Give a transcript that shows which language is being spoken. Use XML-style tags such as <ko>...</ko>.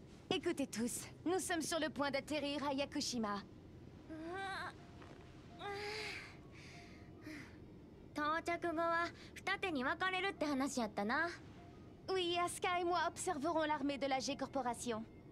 <fr>Écoutez tous, nous sommes sur le point d'atterrir à Yakushima.</fr> <ja>到着後は二手に分かれるって話やったな。</ja> <fr>Oui, Asuka et moi observerons l'armée de la G Corporation.</fr>